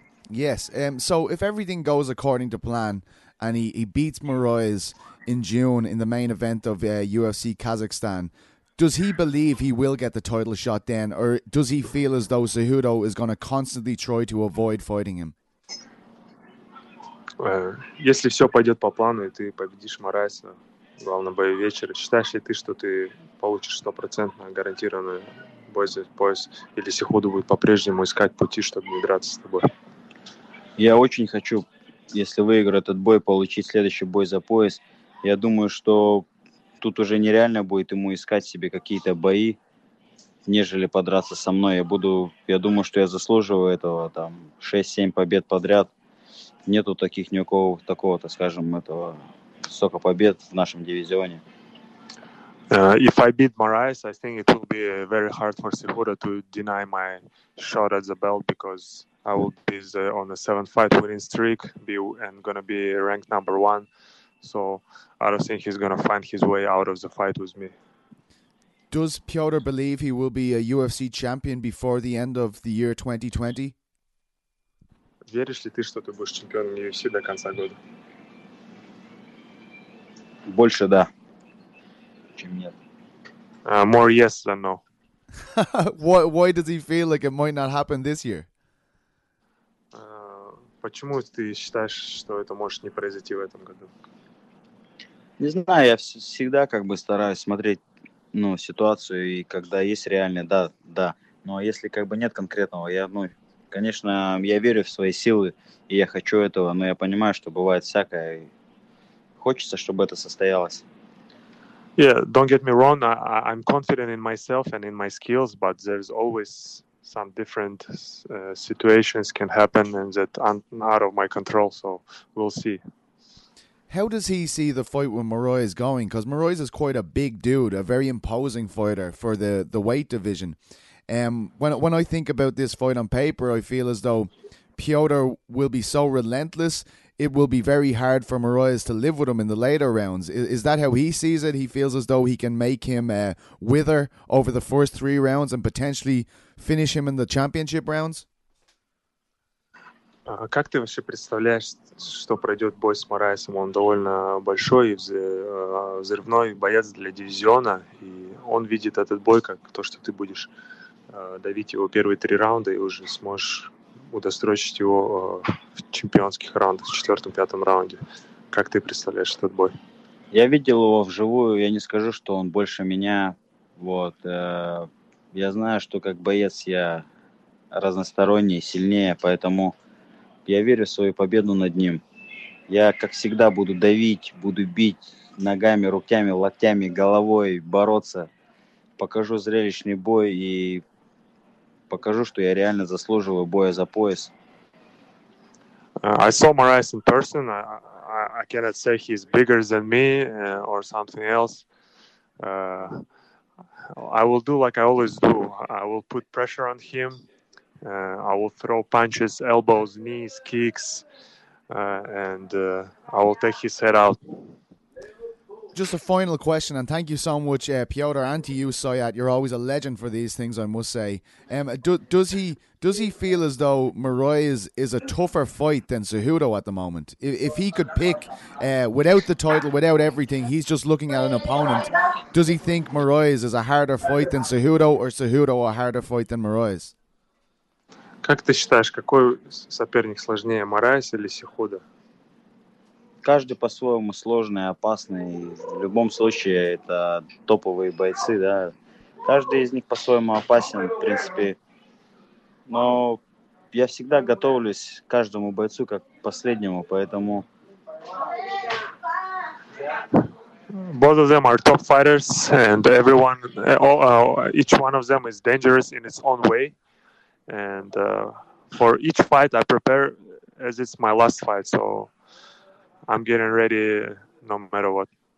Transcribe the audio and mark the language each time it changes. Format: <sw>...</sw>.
<en>Yes, so if everything goes according to plan and he beats Moraes in June in the main event of UFC Kazakhstan, does he believe he will get the title shot then, or does he feel as though Cejudo is going to constantly try to avoid fighting him?</en> <ru>Если все пойдет по плану и ты победишь Морайса, главное бой вечера, считаешь ли ты, что ты получишь 100% гарантированный бой за пояс, или Cejudo будет по-прежнему искать пути, чтобы не драться с тобой? Я очень хочу, если выиграю этот бой, получить следующий бой за пояс. Я думаю, что тут уже нереально будет ему искать себе какие-то бои, нежели подраться со мной. Я думаю, что я заслуживаю этого, там, 6-7 побед подряд. Нету таких, ни у кого такого, так скажем, этого, столько побед в нашем дивизионе.</ru> <en>If I beat Moraes, I think it will be very hard for Cejudo to deny my shot at the belt, because I will be on a 7-fight winning streak, and gonna be ranked number one. So I don't think he's gonna find his way out of the fight with me. Does Piotr believe he will be a UFC champion before the end of the year 2020?</en> <ru>Веришь ли ты, что ты будешь чемпионом UFC до конца года? Больше да, чем нет.</ru> <en>More yes than no. Why does he feel like it might not happen this year?</en> <ru>Почему ты считаешь, что это может не произойти в этом году? Не знаю, я всегда как бы стараюсь смотреть, ну, ситуацию, и когда есть реальное, да, да. Но если как бы нет конкретного, я, ну, конечно, я верю в свои силы, и я хочу этого, но я понимаю, что бывает всякое, и хочется, чтобы это состоялось.</ru> <en>Yeah, don't get me wrong, I'm confident in myself and in my skills, but there's always some different situations can happen and that out of my control, so we'll see. How does he see the fight with Moraes going? Because Moraes is quite a big dude, a very imposing fighter for the weight division. When I think about this fight on paper, I feel as though Piotr will be so relentless, it will be very hard for Moraes to live with him in the later rounds. Is that how he sees it? He feels as though he can make him wither over the first three rounds and potentially finish him in the championship rounds?</en> <ru>Как ты вообще представляешь, что пройдет бой с Мораесом? Он довольно большой и взрывной боец для дивизиона. И он видит этот бой как то, что ты будешь давить его первые три раунда и уже сможешь удострочить его в чемпионских раундах, в четвертом-пятом раунде. Как ты представляешь этот бой? Я видел его вживую. Я не скажу, что он больше меня. Вот, я знаю, что как боец я разносторонний, сильнее, поэтому я верю в свою победу над ним. Я, как всегда, буду давить, буду бить ногами, руками, локтями, головой, бороться. Покажу зрелищный бой и покажу, что я реально заслуживаю боя за пояс.</ru> <en>I saw Moraes in person. I cannot say he's bigger than me or something else. I will do like I always do. I will put pressure on him. I will throw punches, elbows, knees, kicks, and I will take his head out. Just a final question, and thank you so much, Piotr, and to you, Soyat. You're always a legend for these things, I must say. Does he feel as though Moraes is a tougher fight than Cejudo at the moment? If he could pick, without the title, without everything, he's just looking at an opponent. Does he think Moraes is a harder fight than Cejudo, or Cejudo a harder fight than Moraes?</en> <ru>Как ты считаешь, какой соперник сложнее, Мораес или Сихуда? каждый по-своему сложный, опасный. В любом случае, это топовые бойцы, да. Каждый из них по-своему опасен, в принципе. Но я всегда готовлюсь к каждому бойцу как к последнему, поэтому...</ru> <en>Both of them are top fighters, and everyone, each one of them is dangerous in its own way. And for each fight, I prepare as it's my last fight, so I'm getting ready no matter what.</en>